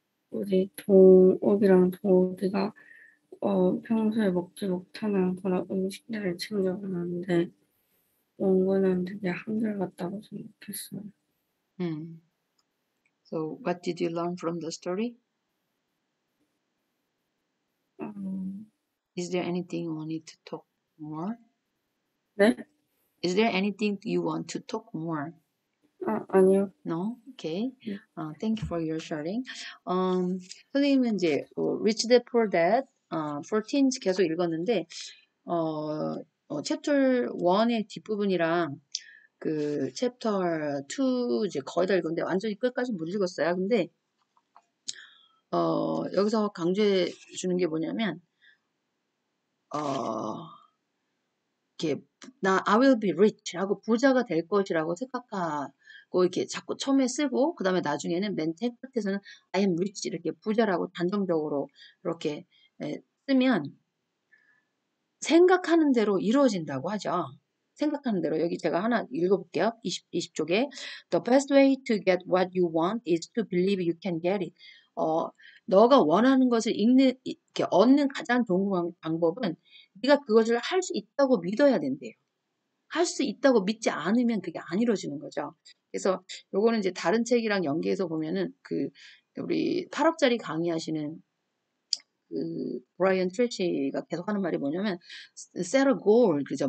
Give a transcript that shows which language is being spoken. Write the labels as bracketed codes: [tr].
[ko] 우리 동욱이랑 동욱이가 평소에 먹지 못하는 그런 음식들을 챙겨오는데 원우는 되게 한결같다고 생각했어요. [en] So, what did you learn from the story? Is there anything you want to talk more? Yeah. Is there anything you want to talk more? [ko] Anyo. [en] No? Okay. Thank you for your sharing. [ko] 선생님은 이제 Rich Dad Poor Dad 14 계속 읽었는데 챕터 1의 뒷부분이랑 그 챕터 2 이제 거의 다 읽었는데 완전히 끝까지 못 읽었어요. 근데 여기서 강조해 주는 게 뭐냐면 이렇게 나 [en] I will be rich [ko] 라고 부자가 될 것이라고 생각하고 이렇게 자꾸 처음에 쓰고 그다음에 나중에는 맨 끝에서는 [en] I am rich [ko] 이렇게 부자라고 단정적으로 이렇게 쓰면 생각하는 대로 이루어진다고 하죠. 생각하는 대로 여기 제가 하나 읽어볼게요. 20쪽에 [en] The best way to get what you want is to believe you can get it. [ko] 너가 원하는 것을 이렇게 얻는 가장 좋은 방법은 네가 그것을 할수 있다고 믿어야 된대요. 할수 있다고 믿지 않으면 그게 안 이루어지는 거죠. 그래서 요거는 이제 다른 책이랑 연계해서 보면은 그 우리 8억짜리 강의하시는 그 브라이언 트레시가 계속하는 말이 뭐냐면 [en] set a goal [ko] 그죠?